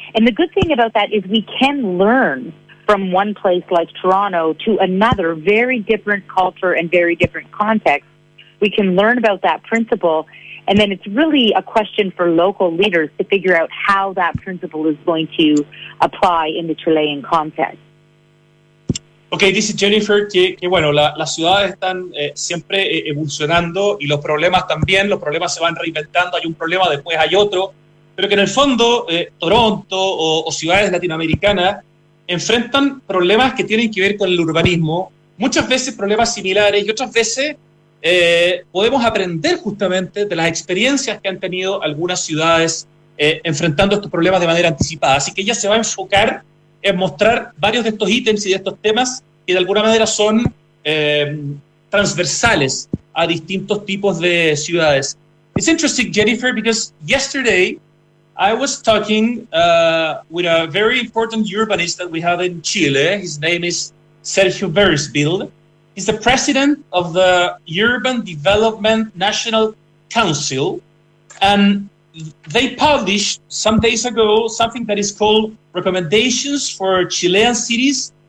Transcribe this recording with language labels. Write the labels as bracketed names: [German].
[English] And the good thing about that is we can learn from one place like Toronto to another, very different culture and very different context. We can learn about that principle. And then it's really a question for local leaders to figure out how that principle is going to apply in the Chilean context. [Spanish] Okay, dice Jennifer que bueno, las ciudades están siempre evolucionando, y los problemas también. Los problemas se van reinventando. Hay un problema, después hay otro. Pero que en el fondo, Toronto o ciudades latinoamericanas enfrentan problemas que tienen que ver con el urbanismo. Muchas veces problemas similares, y otras veces podemos aprender justamente de las experiencias que han tenido algunas ciudades enfrentando estos problemas de manera anticipada. Así que ella se va a enfocar en mostrar varios de estos ítems y de estos temas que de alguna manera son transversales a distintos tipos de ciudades. [English] It's interesting, Jennifer, because yesterday I was talking with a very important urbanist that we have in Chile. His name is Sergio Beresfield. He's the president of the Urban Development National Council, and they published some days ago something that is called Recommendations for Chilean Cities